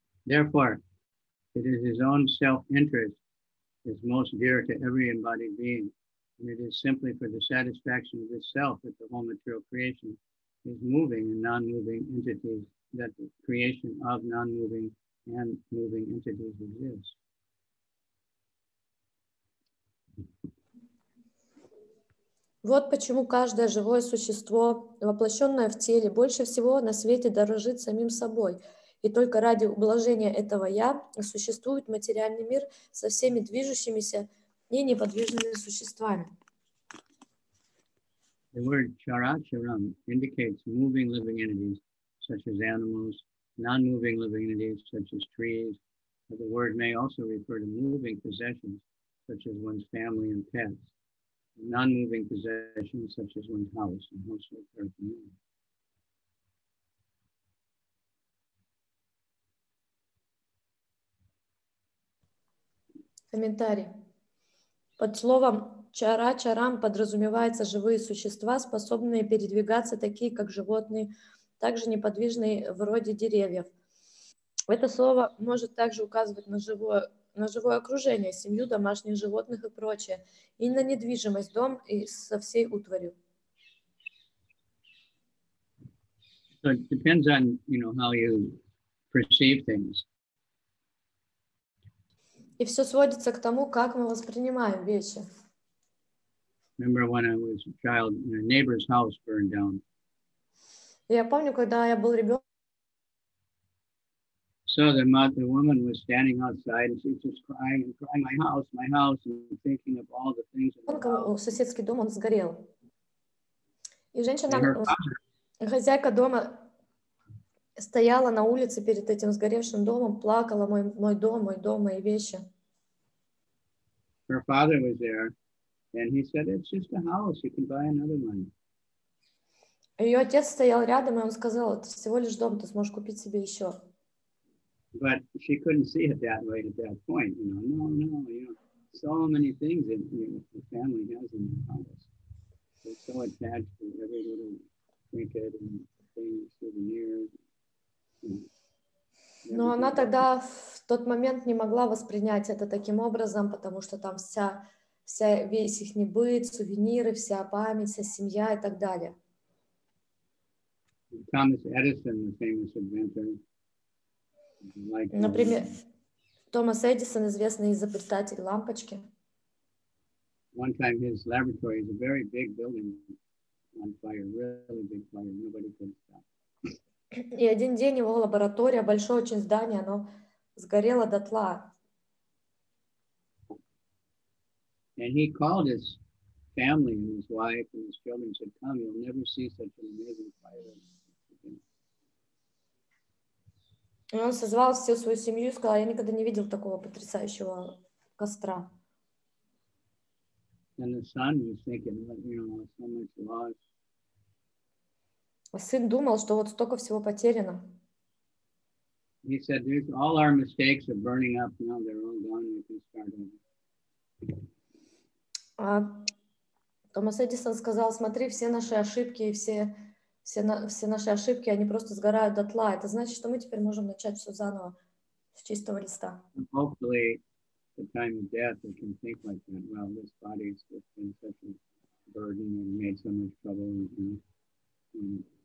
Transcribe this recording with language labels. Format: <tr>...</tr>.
<en>Therefore, it is his own self-interest that is most dear to every embodied being, and it is simply for the satisfaction of this self that the whole material creation is moving and non-moving entities, that the creation of non-moving and moving entities exists.</en> <ru>Вот почему каждое живое существо, воплощенное в теле, больше всего на свете дорожит самим собой. И только ради ублажения этого «я» существует материальный мир со всеми движущимися и неподвижными существами.</ru> <en>The word characharam indicates moving living entities, such as animals, non-moving living entities, such as trees, but the word may also refer to moving possessions, such as one's family and pets, non-moving possessions, such as one's house and household paraphernalia.</en> <ru>Комментарий. Под словом чара-чарам подразумеваются живые существа, способные передвигаться, такие как животные, также неподвижные вроде деревьев. Это слово может также указывать на живое окружение, семью, домашних животных и прочее, и на недвижимость, дом и со всей утварью.</ru> <en>So it depends on, you know, how you perceive things.</en> <ru>И все сводится к тому, как мы воспринимаем вещи.</ru> <en>Remember when I was a child, my neighbor's house burned down.</en> <ru>Я помню, когда я был ребенком.</ru> <en>So the woman was standing outside and she's just crying and crying, my house, and thinking of all the things.</en> <ru>Соседский дом, он сгорел. И женщина, хозяйка дома, стояла на улице перед этим сгоревшим домом, плакала, мой дом, мои вещи.</ru> <en>Her father was there. And he said, it's just a house, you can buy another one.</en> <ru>Ее отец стоял рядом, и он сказал, это всего лишь дом, ты сможешь купить себе еще.</ru> <en>But she couldn't see it that way at that point. You know, so many things that, you know, the family has in the house. They're so attached to every little trinket and things, souvenirs.</en> <ru>Но она тогда в тот момент не могла воспринять это таким образом, потому что там вся весь их быт, сувениры, вся память, вся семья и так далее.</ru> <en>Thomas Edison, the famous inventor.</en> <ru>Например, Томас Эдисон, известный изобретатель лампочки.</ru> <en>One time his laboratory is a very big building on fire, really big fire, nobody could stop.</en> <ru>И один день его лаборатория, большое очень здание, оно сгорело дотла.</ru> <en>And he called his family and his wife and his children and said, come, you'll never see such an amazing fire.</en> <ru>И он созвал всю свою семью и сказал, я никогда не видел такого потрясающего костра.</ru> <en>And the son was thinking, you know, so much loss.</en> <ru>А сын думал, что вот столько всего потеряно.</ru> <en>He said, there's all our mistakes are burning up now, they're all gone, we can start over.</en> <ru>Томас Эдисон сказал, смотри, все наши ошибки, все наши ошибки, они просто сгорают дотла. Это значит, что мы теперь можем начать все заново, с чистого листа.</ru> <en>Hopefully, the time of death, we can think like that. Well, this body has been such a burden and made so much trouble.</en>